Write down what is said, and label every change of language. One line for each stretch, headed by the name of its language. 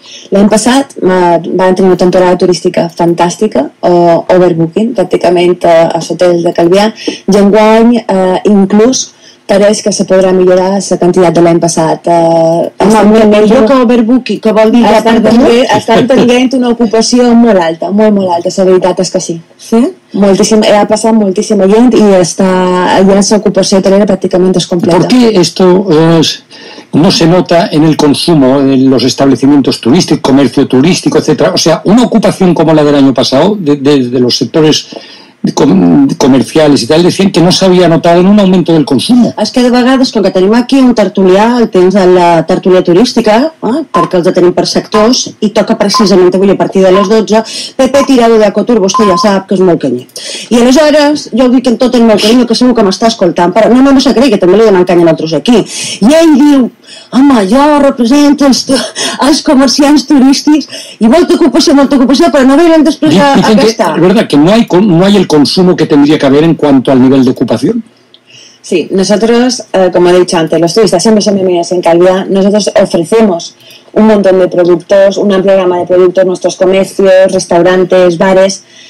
Catalan: L'any passat van tenir una temporada turística fantàstica, overbooking pràcticament als hotels de Calvià, i enguany inclús pareix que se podrà millorar la quantitat de l'any passat. Millor que overbooking, que vol dir que estan tenint una ocupació molt alta, molt, molt alta, la veritat és que sí. Sí? Moltíssim, ha passat moltíssima gent i està allà la ocupació hotelera pràcticament és completa.
Spanish: ¿Por qué esto es... no se nota en el consumo, en los establecimientos turísticos, comercio turístico, etcétera? O sea, una ocupación como la del año pasado, de los sectores comerciales y tal, decían que no se había notado en un aumento del consumo.
Catalan: Es que de vegades, com que tenim aquí un tertulià, el temps de la tertulia turística, perquè els tenim per sectors, i toca precisament avui a partir de les 12, Pepe Tirado de Acotur, vostè ja sap que és molt canyer. I aleshores, jo ho dic amb tot el meu carinyo, que segur que m'està escoltant, però no només a Greg, que també li donen canya a nosaltres aquí. I ell diu, home, jo represento els comerciants turístics i molta ocupació, però no veurem després aquesta.
Spanish: Es verdad que no hay el consumo que tendría que haber en cuanto al nivel de ocupación. Sí, nosotros, como he dicho antes, los turistas siempre son bienvenidos en calidad. Nosotros ofrecemos un montón de productos, una amplia gama de productos, nuestros comercios, restaurantes, bares.